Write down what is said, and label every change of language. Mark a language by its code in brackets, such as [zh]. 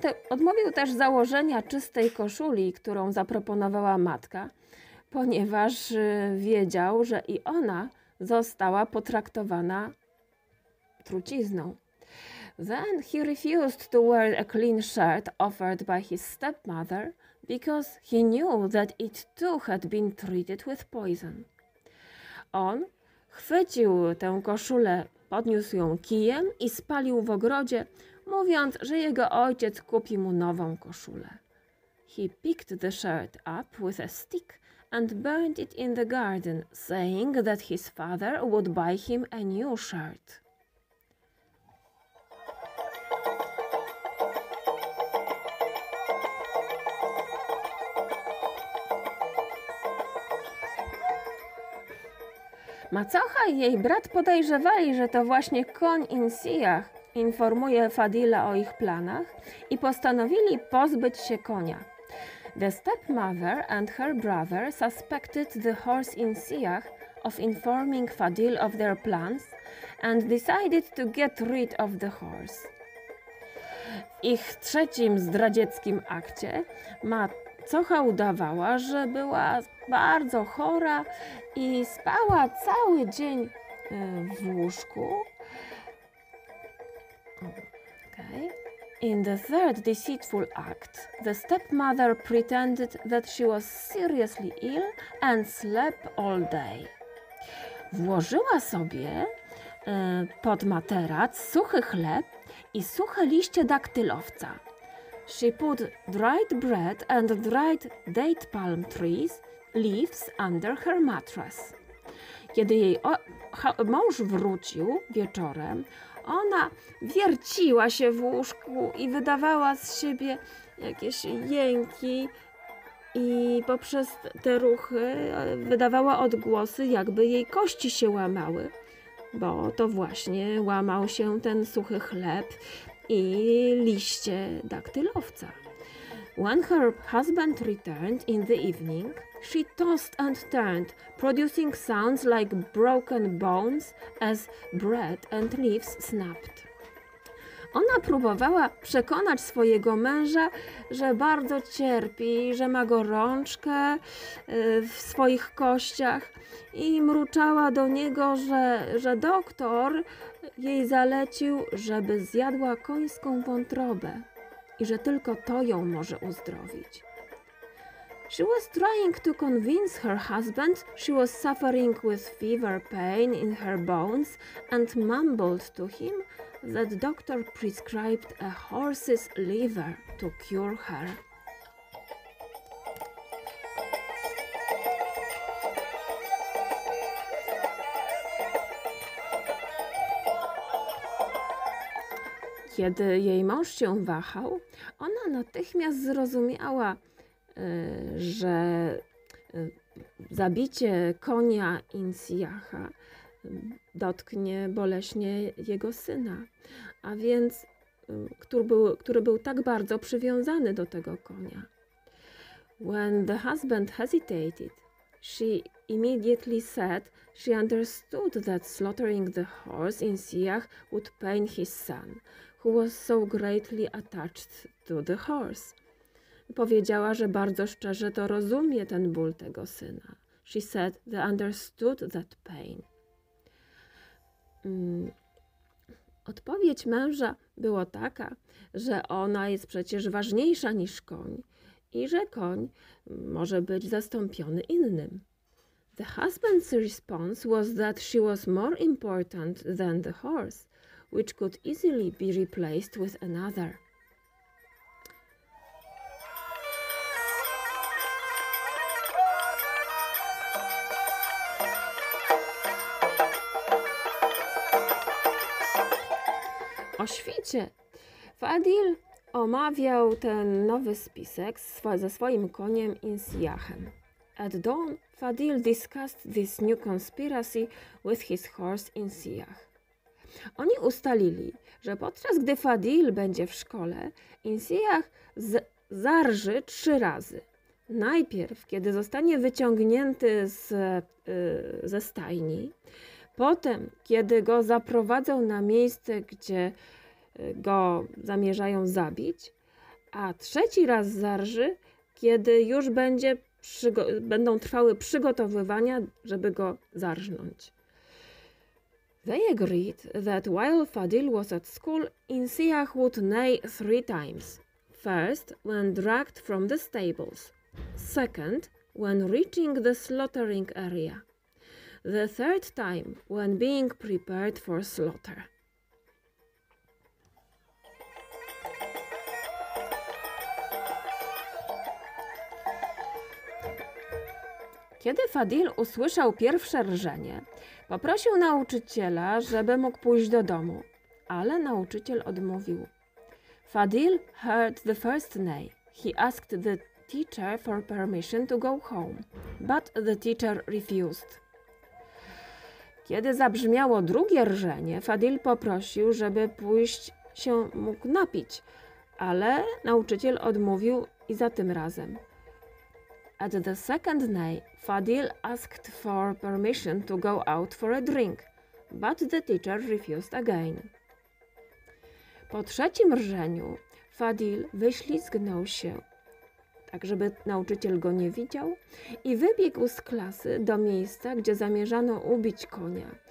[pl] Odmówił też założenia czystej koszuli, którą zaproponowała matka, ponieważ wiedział, że i ona została potraktowana trucizną. [en] Then he refused to wear a clean shirt offered by his stepmother, because he knew that it too had been treated with poison. [pl] On chwycił tę koszulę, podniósł ją kijem i spalił w ogrodzie, mówiąc, że jego ojciec kupi mu nową koszulę. [en] He picked the shirt up with a stick and burned it in the garden, saying that his father would buy him a new shirt. [pl] Macocha i jej brat podejrzewali, że to właśnie koń Insiach informuje Fadila o ich planach i postanowili pozbyć się konia. [en] The stepmother and her brother suspected the horse Insiach of informing Fadil of their plans and decided to get rid of the horse. [pl] W ich trzecim zdradzieckim akcie macocha udawała, że była bardzo chora i spała cały dzień w łóżku. [en] In the third deceitful act, the stepmother pretended that she was seriously ill and slept all day. [pl] Włożyła sobie pod materac suchy chleb i suche liście daktylowca. [en] She put dried bread and dried date palm trees leaves under her mattress. [pl] Kiedy jej mąż wrócił wieczorem, ona wierciła się w łóżku i wydawała z siebie jakieś jęki i poprzez te ruchy wydawała odgłosy, jakby jej kości się łamały, bo to właśnie łamał się ten suchy chleb i liście daktylowca. [en] When her husband returned in the evening, she tossed and turned, producing sounds like broken bones as bread and leaves snapped. [pl] Ona próbowała przekonać swojego męża, że bardzo cierpi, że ma gorączkę w swoich kościach i mruczała do niego, że doktor jej zalecił, żeby zjadła końską wątrobę i że tylko to ją może uzdrowić. [en] She was trying to convince her husband she was suffering with fever pain in her bones and mumbled to him that doctor prescribed a horse's liver to cure her. [pl] Kiedy jej mąż się wahał, ona natychmiast zrozumiała, że zabicie konia Insiacha dotknie boleśnie jego syna, a więc który był tak bardzo przywiązany do tego konia. [en] When the husband hesitated, she immediately said she understood that slaughtering the horse Insiach would pain his son, who was so greatly attached to the horse. [pl] Powiedziała, że bardzo szczerze to rozumie ten ból tego syna. [en] She said they understood that pain. [pl] Odpowiedź męża była taka, że ona jest przecież ważniejsza niż koń i że koń może być zastąpiony innym. [en] The husband's response was that she was more important than the horse, which could easily be replaced with another. [pl] O świcie. Fadil omawiał ten nowy spisek ze swoim koniem Insiachem. [en] At dawn, Fadil discussed this new conspiracy with his horse Insiach. [pl] Oni ustalili, że podczas gdy Fadil będzie w szkole, Insiach zarży 3 razy. Najpierw, kiedy zostanie wyciągnięty ze stajni, potem, kiedy go zaprowadzą na miejsce, gdzie go zamierzają zabić, a 3 raz zarży, kiedy już będą trwały przygotowywania, żeby go zarżnąć. [en] They agreed that while Fadil was at school, Insiach would neigh 3 times. First, when dragged from the stables. Second, when reaching the slaughtering area. The third time, when being prepared for slaughter. [pl] Kiedy Fadil usłyszał pierwsze rżenie, poprosił nauczyciela, żeby mógł pójść do domu, ale nauczyciel odmówił. [en] Fadil heard the first neigh. He asked the teacher for permission to go home, but the teacher refused. [pl] Kiedy zabrzmiało drugie rżenie, Fadil poprosił, żeby pójść się mógł napić, ale nauczyciel odmówił i za tym razem. [en] At the second neigh, Fadil asked for permission to go out for a drink, but the teacher refused again. [pl] Po trzecim rżeniu Fadil wyślizgnął się, tak żeby nauczyciel go nie widział, i wybiegł z klasy do miejsca, gdzie zamierzano ubić konia.